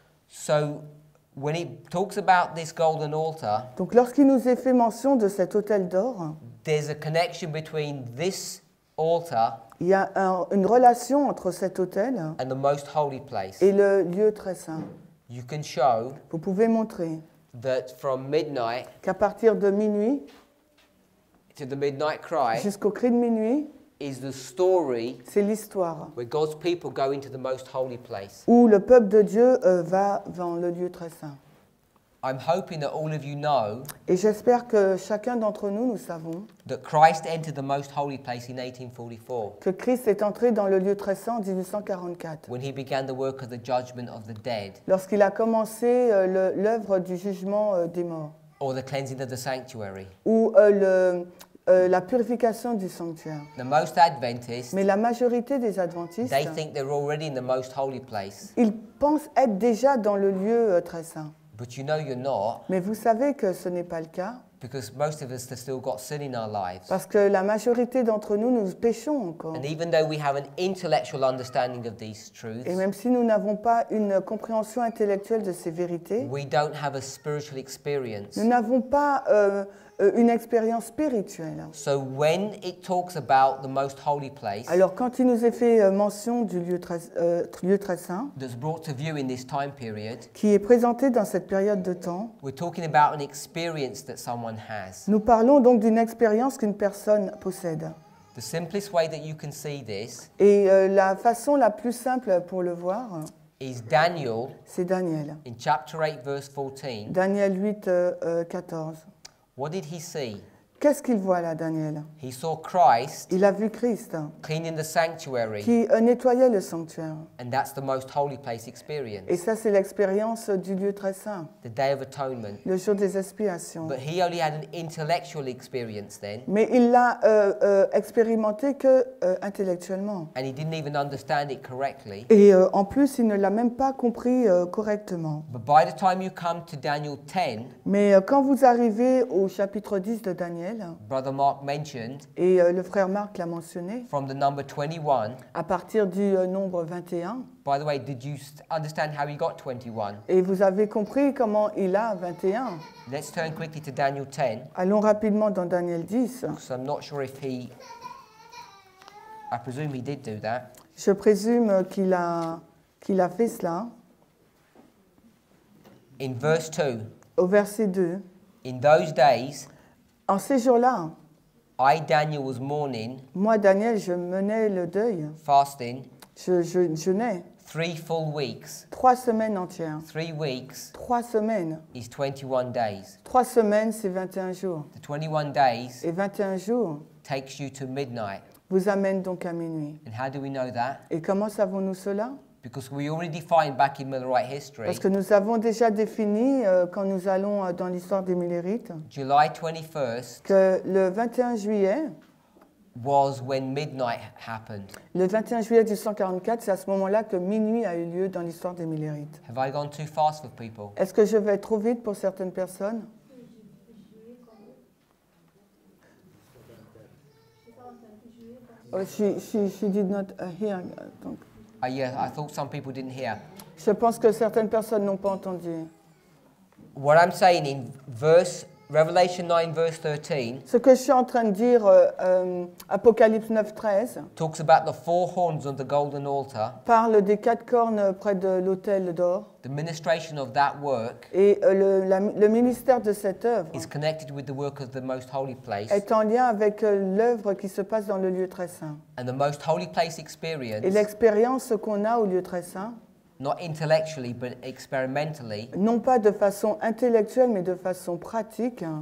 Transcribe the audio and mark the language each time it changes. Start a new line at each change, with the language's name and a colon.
English: So when he talks about this golden altar,
French: donc lorsqu'il nous est fait mention de cet autel d'or,
English: there's a connection between this altar,
French: il y a une relation entre cet autel
English: and the most holy place,
French: et le lieu très saint.
English: You can show,
French: vous pouvez montrer,
English: that from midnight,
French: qu'à partir de minuit,
English: to the midnight cry,
French: jusqu'au cri de minuit,
English: is the story,
French: c'est l'histoire,
English: where God's people go into the most holy place,
French: où le peuple de Dieu va dans le lieu très saint.
English: I'm hoping that all of you know,
French: et j'espère que chacun d'entre nous, nous savons,
English: that Christ entered the most holy place in 1844,
French: que Christ est entré dans le lieu très saint en 1844,
English: when he began the work of the judgment of the dead,
French: lorsqu'il a commencé l'œuvre du jugement des morts,
English: or the cleansing of the sanctuary,
French: ou la purification du sanctuaire.
English: The most Adventists,
French: mais la majorité des Adventistes,
English: they think they're already in the most holy place,
French: ils pensent être déjà dans le lieu très saint.
English: But you know you're not,
French: mais vous savez que ce n'est pas le cas.
English: Because most of us have still got sin in our lives.
French: Parce que la majorité d'entre nous, nous péchons encore.
English: And even though we have an intellectual understanding of these truths,
French: et même si nous n'avons pas une compréhension intellectuelle de ces vérités,
English: we don't have a spiritual experience.
French: Nous n'avons pas une expérience spirituelle.
English: So when it talks about the most holy place,
French: alors quand il nous est fait mention du lieu très saint,
English: that's brought to view in this time period,
French: qui est présenté dans cette période de temps,
English: we're talking about an experience that someone has.
French: Nous parlons donc d'une expérience qu'une personne possède.
English: The simplest way that you can see this,
French: et la façon la plus simple pour le voir,
English: is Daniel,
French: c'est Daniel.
English: In chapter 8, verse 14.
French: Daniel 8, 14.
English: What did he see?
French: Qu'est-ce qu'il voit là, Daniel?
English: He saw Christ.
French: Il a vu Christ.
English: Cleaning the sanctuary.
French: Qui nettoyait le sanctuaire.
English: And that's the most holy place experience.
French: Et ça, c'est l'expérience du lieu très saint.
English: The Day of Atonement.
French: Le jour des expiations.
English: But he only had an intellectual experience then.
French: Mais il l'a expérimenté que intellectuellement.
English: And he didn't even understand it correctly.
French: Et en plus, il ne l'a même pas compris correctement.
English: But by the time you come to Daniel 10.
French: Mais quand vous arrivez au chapitre 10 de Daniel.
English: Brother Mark mentioned,
French: et le frère Mark l'a mentionné,
English: from the number 21,
French: à partir du nombre 21.
English: By the way, did you understand how he got 21?
French: Et vous avez compris comment il a 21?
English: Let's turn quickly to Daniel 10.
French: Allons rapidement dans Daniel 10.
English: So I'm not sure if he, I presume he did do that.
French: Je présume qu'il a fait cela.
English: In verse 2.
French: Au verset 2.
English: In those days,
French: en ces jours-là,
English: I, Daniel, was mourning,
French: moi, Daniel, je menais le deuil.
English: Fasting.
French: Je jeûnais.
English: Three full weeks.
French: Trois semaines entières.
English: 3 weeks.
French: Trois semaines.
English: Is 21 days.
French: Trois semaines, c'est 21 jours.
English: The 21 days.
French: Et 21 jours.
English: Takes you to midnight.
French: Vous amène donc à minuit.
English: And how do we know that?
French: Et comment savons-nous cela?
English: Because we already defined back in Millerite history.
French: Parce que nous avons déjà défini quand nous allons dans l'histoire des Millerites.
English: July 21st.
French: Que le 21 juillet.
English: Was when midnight happened.
French: Le 21 juillet 1844, c'est à ce moment-là que minuit a eu lieu dans l'histoire des Millerites.
English: Have I gone too fast for people?
French: Est-ce que je vais trop vite pour certaines personnes?
English: She did not hear.
French: Donc.
English: Yeah, I thought some people didn't hear.
French: Je pense que certaines personnes n'ont pas entendu.
English: What I'm saying in verse Revelation 9, verse 13.
French: Ce que je suis en train de dire, Apocalypse 9, 13.
English: Talks about the four horns on the golden altar.
French: Parle des quatre cornes près de l'autel d'or.
English: The ministration of that work.
French: Et le ministère de cette œuvre.
English: Is connected with the work of the most holy place.
French: Est en lien avec l'œuvre qui se passe dans le lieu très saint.
English: And the most holy place experience.
French: Et l'expérience qu'on a au lieu très saint.
English: Not intellectually, but experimentally.
French: Non pas de façon intellectuelle, mais de façon pratique.